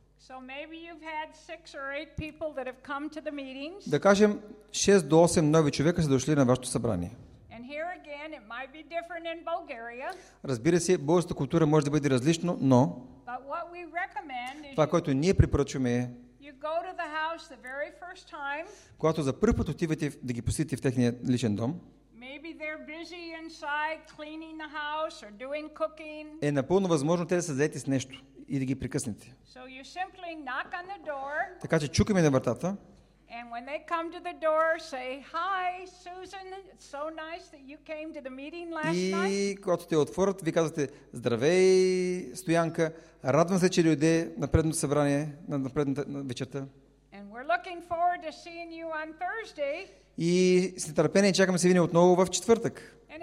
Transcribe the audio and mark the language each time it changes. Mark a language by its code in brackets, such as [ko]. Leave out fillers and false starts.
[en] So maybe you've had 6 or 8 people that have come to the meetings. [bg] Да кажем 6 до 8 нови човека са дошли на вашето събрание. [en] And here again it might be different in Bulgaria. [bg] Разбира се, българската култура може да бъде различно, но [en] but what we recommend is [bg] това, което ние препоръчваме е [en] you go to the house the very first time. [bg] Когато за първ път отивате да ги посетите в техния личен дом. [en] Maybe they're busy inside cleaning the house or doing cooking. [bg] Е напълно възможно те да са заети с нещо и да ги прекъснете. [en] So you simply knock on the door. [bg] Така че чукаме на вратата. [en] And when they come to the door, say, "Hi, Susan. It's so nice that you came to the meeting last night." [bg] И когато те отворят, ви казвате: "Здравей, Стоянка. Радвам се, че дойде на предното събрание, на предната вечерта." [en] And we're looking forward to seeing you on Thursday. [bg] И с нетърпение чакаме да се видим отново в четвъртък.